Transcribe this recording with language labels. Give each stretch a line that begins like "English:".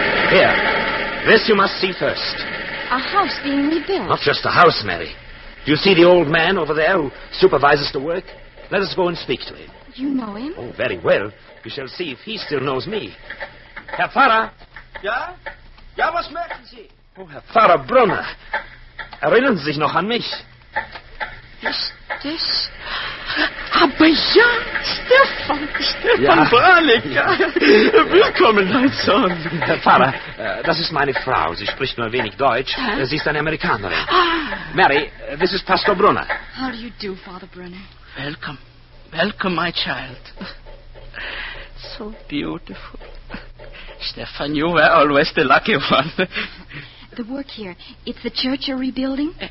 English: Here. This you must see first. A house being rebuilt. Not just a house, Mary. Do you see the old man over there who supervises the work? Let us go and speak to him. You know him? Oh, very well. We shall see if he still knows me.
German: Herr Pfarrer? Ja? Ja, was möchten Sie? Oh, Herr Pfarrer Brunner. Erinnern Sie sich noch an mich? Ist das... Aber ja, Stefan ja. Brannig. Ja. Willkommen, mein Sohn. Herr Pfarrer, das ist meine Frau. Sie spricht nur ein wenig Deutsch. Huh? Sie ist eine Amerikanerin. Ah.
English: Mary, this is Pastor Brunner. How do you do, Father Brunner? Welcome. Welcome, my child. So beautiful. Stefan, you were always the lucky one. The work here, it's the church you're rebuilding?